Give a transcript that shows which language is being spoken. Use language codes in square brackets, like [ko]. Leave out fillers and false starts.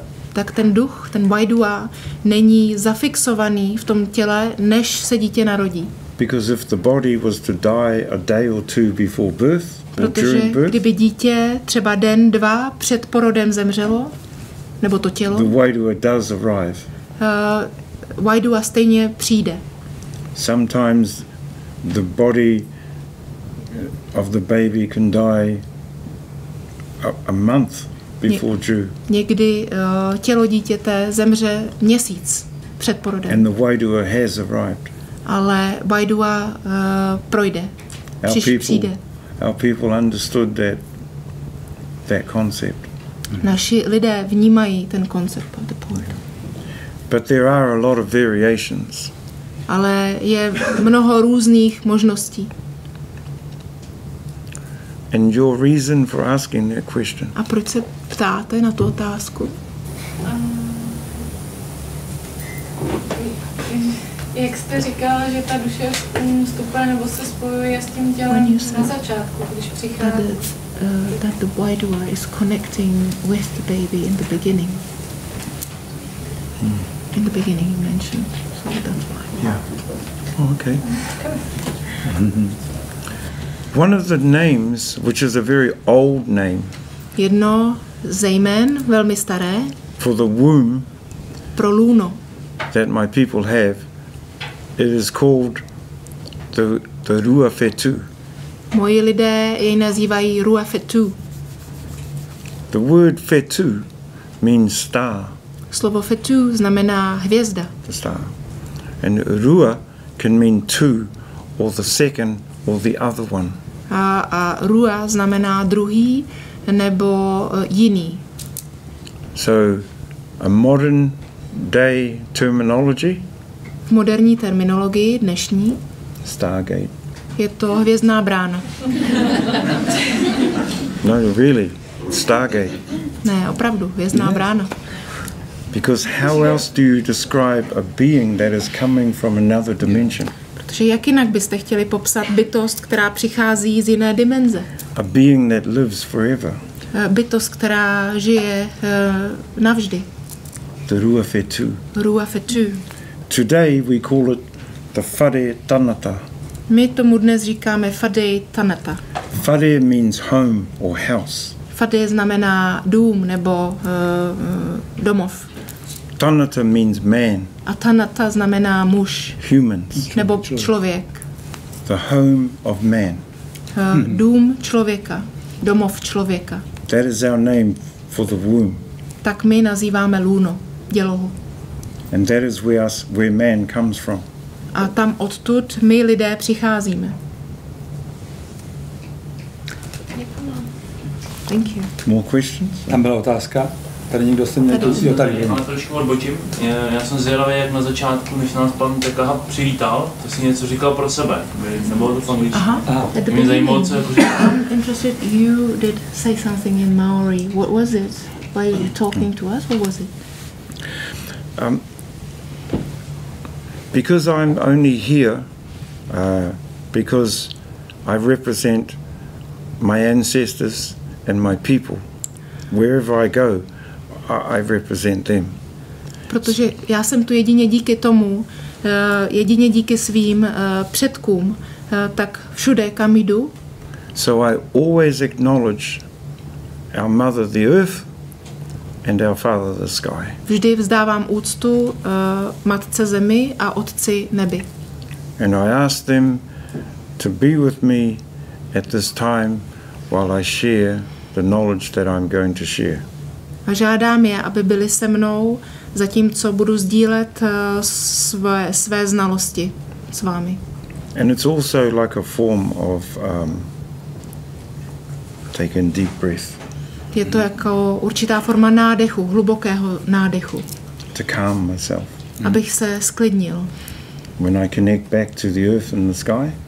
[cs] Tak ten duch, ten Wairua, není zafixovaný v tom těle, než se dítě narodí. [en] Because if the body was to die a day or two before birth, [cs] protože kdyby dítě třeba den, dva před porodem zemřelo, nebo to tělo, [en] the Wairua does arrive. [cs] Wairua stejně přijde. [en] Sometimes the body of the baby can die a month before due. [cs] Někdy tělo dítěte zemře měsíc před porodem. [en] And the Wairua has arrived. [cs] Ale Wairua projde. Přijde. [en] Our people understood that concept. [cs] Naši lidé vnímají ten koncept [en] of the poor. But there are a lot of variations. [cs] Ale je mnoho různých možností. [en] And your reason for asking that question? [cs] A proč se ptáte na tu otázku? Jak jste říkala, že ta duše vstupuje nebo se spojuje s tím tělem na začátku, když přichází. [en] That the Wairua is connecting with the baby in the beginning. In the beginning, you mentioned, so that's why. Yeah. Oh, okay. One of the names, which is a very old name. [cs] Jedno ze jmen, velmi staré. [en] For the womb. [cs] Pro lůno. [en] That my people have. It is called the Rua Fetu. [cs] Moji lidé jej nazývají Rua Fetu. [en] The word Fetu means star. [cs] Slovo Fetu znamená hvězda. [en] The star. And Rua can mean two, or the second, or the other one. [cs] A Rua znamená druhý, nebo jiný. [en] So, a modern day terminology. [cs] V moderní terminologii dnešní [en] Stargate. [cs] Je to hvězdná brána. [en] No, really, Stargate. [cs] Ne, opravdu, hvězdná brána. [en] Because how else do you describe a being that is coming from another dimension? [cs] Protože jak jinak byste chtěli popsat bytost, která přichází z jiné dimenze? [en] A being that lives forever. [cs] Bytost, která žije navždy. [en] The Ruach Etu. [cs] Ruach Etu. [en] Today we call it the Fade Tanata. [cs] My tomu dnes říkáme Fade Tanata. [en] Fade means home or house. [cs] Fade znamená dům nebo domov. [en] Tanata means man. [cs] A tanata znamená muž. [en] Humans. [cs] Nebo člověk. [en] The home of man. [cs] Dům člověka. Domov člověka. [en] That is our name for the womb. [cs] Tak my nazýváme lůno, dělohu. [en] And that is where man comes from. [cs] A tam odtud my lidé přicházíme. [en] Thank you. More questions? [cs] Tam byla otázka. Tady někdo se měl tady. Jo, tady. Ale trošku odbočím. Já jsem zvědavý, jak na začátku, než nás pan Tekaha přivítal, to si něco říkal pro sebe. Nebylo to v angličtině. Aha. Mě zajímalo, co jako říkal. [en] I'm interested, you did say something in Maori. What was it? Were you talking to us? What was it? Because I'm only here, because I represent my ancestors and my people. Wherever I go, I represent them. [cs] Protože já jsem tu jedině díky tomu, jedině díky svým předkům, tak všude, kam jdu. [en] So I always acknowledge our mother, the earth, and our father, the sky. [cs] Vždy vzdávám úctu matce zemi a otci nebi. [en] And I ask them to be with me at this time while I share the knowledge that I'm going to share. [cs] A žádám je, aby byli se mnou, zatímco budu sdílet své znalosti s vámi. [en] And it's also like a form of taking deep breath. [cs] Je to jako určitá forma nádechu, hlubokého nádechu. [en] To calm myself. [cs] Abych se sklidnil. [en] When I connect back to the earth and the sky.